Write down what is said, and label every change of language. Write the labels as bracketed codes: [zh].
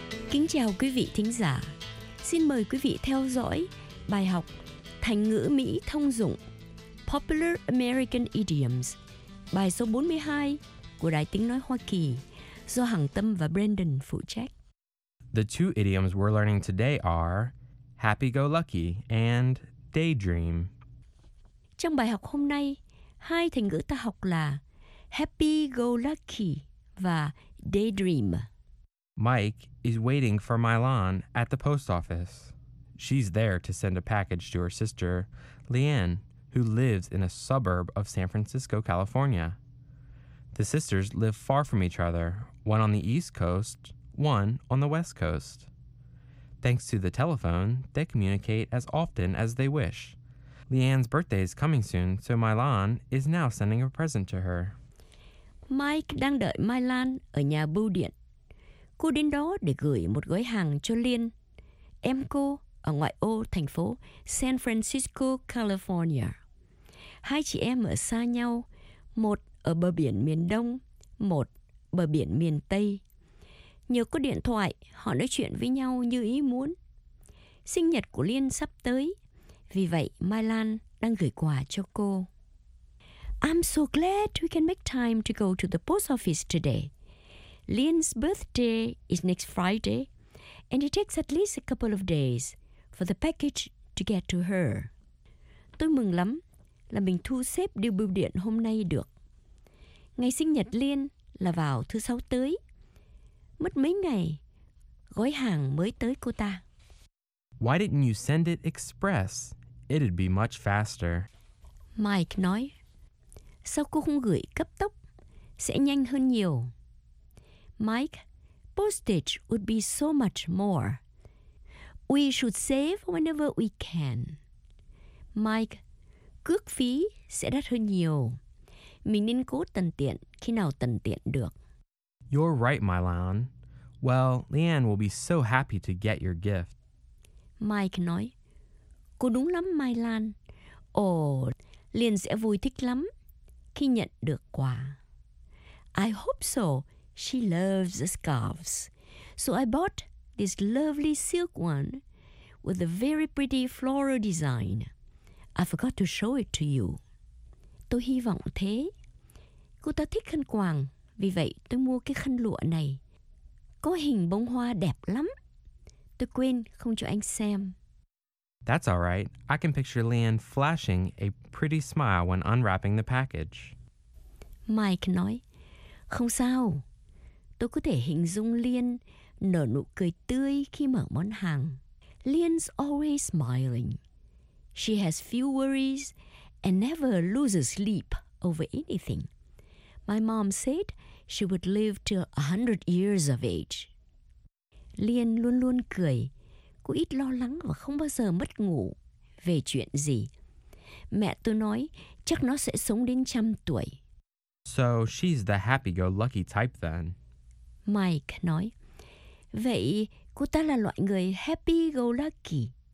[vi] Kính chào quý vị thính giả. Xin mời quý vị theo dõi bài học thành ngữ Mỹ thông dụng [en] Popular American Idioms, [vi] bài số 42 của Đài Tiếng Nói Hoa Kỳ, do Hằng Tâm và Brandon phụ trách. [en] The two idioms we're learning today are happy-go-lucky and daydream. [vi] Trong bài học hôm nay, hai thành ngữ ta học là happy-go-lucky và daydream. [en] Mike is waiting for Mylon at the post office. She's there to send a package to her sister, Leanne, who lives in a suburb of San Francisco, California. The sisters live far from each other, one on the East Coast, one on the West Coast. Thanks to the telephone, they communicate as often as they wish. Leanne's birthday is coming soon, so Mylon is now sending a present to her. [vi] Mike đang đợi Mylon ở nhà bưu điện. Cô đến đó để gửi một gói hàng cho Liên, em cô ở ngoại ô thành phố San Francisco, California. Hai chị em ở xa nhau, một ở bờ biển miền Đông, một bờ biển miền Tây. Nhờ có điện thoại, họ nói chuyện với nhau như ý muốn. Sinh nhật của Liên sắp tới, vì vậy Mylon đang gửi quà cho cô. [en] I'm so glad we can make time to go to the post office today. Liên's birthday is next Friday, and it takes at least a couple of days for the package to get to her. [vi] Tôi mừng lắm là mình thu xếp điều bưu điện hôm nay được. Ngày sinh nhật Liên là vào thứ sáu tới. Mất mấy ngày, gói hàng mới tới cô ta. [en] Why didn't you send it express? It'd be much faster. [vi] Mike nói, sao cô không gửi cấp tốc? Sẽ nhanh hơn nhiều. [en] Mike, postage would be so much more. We should save whenever we can. [vi] Mike, cước phí sẽ đắt hơn nhiều. Mình nên cố tận tiện khi nào tận tiện được. [en] You're right, Mylan. Well, Leanne will be so happy to get your gift. [vi] Mike nói, cô đúng lắm, Mylan. Ồ, Liên sẽ vui thích lắm khi nhận được quà. [en] I hope so. She loves scarves. So I bought this lovely silk one with a very pretty floral design. I forgot to show it to you. [vi] Tôi hy vọng thế. Cô ta thích khăn quàng, vì vậy tôi mua cái khăn lụa này. Có hình bông hoa đẹp lắm. Tôi quên không cho anh xem. [en] That's all right. I can picture Leanne flashing a pretty smile when unwrapping the package. [vi] Mike nói, không sao. Tôi có thể hình dung Leanne nở nụ cười tươi khi mở món hàng. [en] Leanne's always smiling. She has few worries and never loses sleep over anything. My mom said she would live till 100 years of age. [vi] Leanne luôn luôn cười. Cô ít lo lắng và không bao giờ mất ngủ về chuyện gì. Mẹ tôi nói chắc nó sẽ sống đến 100 tuổi. [en] So she's the happy-go-lucky type then. [vi] Mike nói, vậy cô ta là loại người happy-go-lucky.